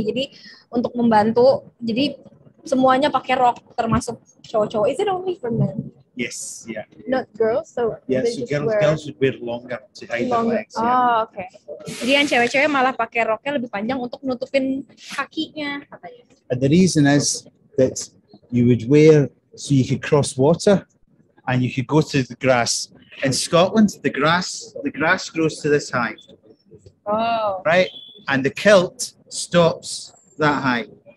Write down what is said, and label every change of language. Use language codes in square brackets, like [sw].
[id] Jadi untuk membantu, jadi semuanya pakai rok termasuk cowok-cowok. [en] Is it only for men? Yes, yeah. Not girls, so yeah, so girls would wear longer to hide their legs. Oh, yeah. Okay. [id] Jadi yang cewek-cewek malah pakai roknya lebih panjang untuk nutupin kakinya. [en] And the reason is that you would wear so you could cross water and you could go to the grass. In Scotland, the grass grows to this high. Oh. Right? And the kilt stops that high. Okay.